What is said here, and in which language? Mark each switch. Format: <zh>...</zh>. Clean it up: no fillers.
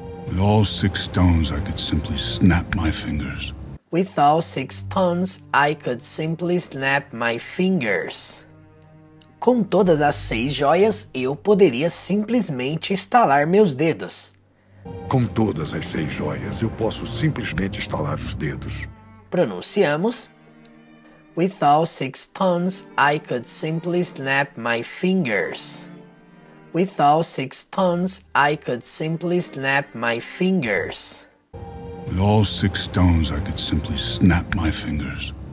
<en>With all six stones, I could simply snap my fingers. With all six stones, I could simply snap my fingers.</en> <pt>Com todas as seis joias, eu poderia simplesmente estalar meus dedos. Com todas as seis joias, eu posso simplesmente estalar os dedos.</pt> <en>Pronunciamos: With all six stones, I could simply snap my fingers. With all 6 stones, I could simply snap my fingers. With all 6 stones, I could simply snap my fingers.</en>